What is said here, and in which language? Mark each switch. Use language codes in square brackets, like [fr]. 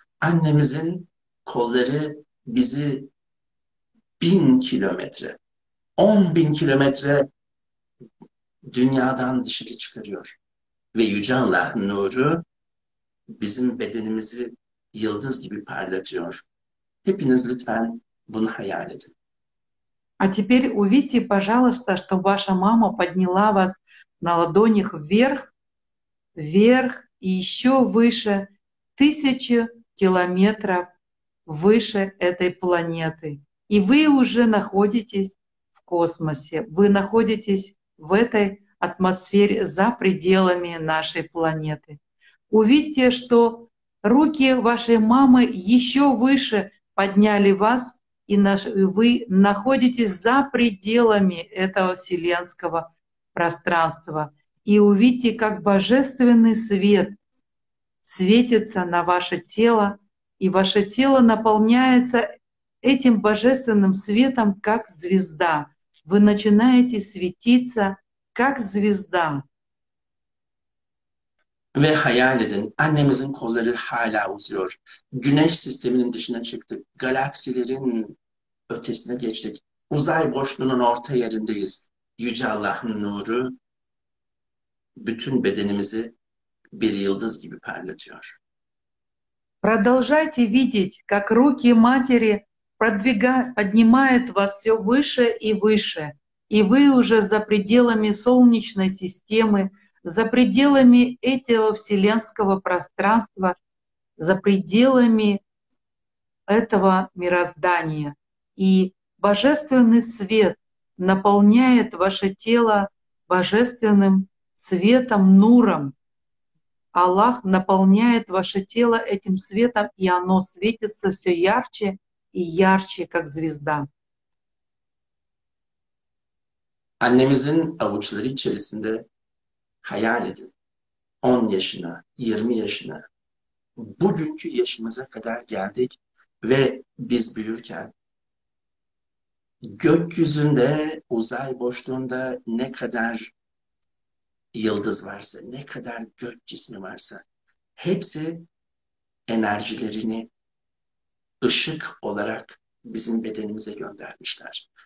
[tr] Annemizin kolları bizi 1000 kilometre, 10.000 kilometre dünyadan dışarı çıkarıyor. Ve Yüce Allah'ın nuru bizim bedenimizi yıldız gibi parlatıyor. Hepiniz lütfen bunu hayal edin. [ru] А теперь увидьте, пожалуйста, что ваша мама подняла вас на ладонях вверх, вверх и еще выше, 1000 километров выше этой планеты. И вы уже находитесь в космосе, вы находитесь в этой атмосфере за пределами нашей планеты. Увидьте, что руки вашей мамы еще выше подняли вас. И вы находитесь за пределами этого вселенского пространства. и увидите, как божественный свет светится на ваше тело, и ваше тело наполняется этим божественным светом, как звезда. Вы начинаете светиться, как звезда. [tr] Ve hayal edin, annemizin kolları hala uzuyor. Güneş sisteminin dışına çıktık, galaksilerin ötesine geçtik. Uzay boşluğunun orta yerindeyiz. Yüce Allah'ın nuru bütün bedenimizi bir yıldız gibi parlatıyor. [ru] Продолжайте видеть, как руки матери поднимают вас все выше и выше, и вы уже за пределами Солнечной системы, за пределами этого вселенского пространства, за пределами этого мироздания. И божественный свет наполняет ваше тело божественным светом, нуром. Аллах наполняет ваше тело этим светом, и оно светится все ярче и ярче, как звезда. [tr] Annemizin avuçları içerisinde hayal edin. 10 yaşına, 20 yaşına, bugünkü yaşımıza kadar geldik ve biz büyürken gökyüzünde, uzay boşluğunda ne kadar yıldız varsa, ne kadar gök cismi varsa hepsi enerjilerini ışık olarak bizim bedenimize göndermişler.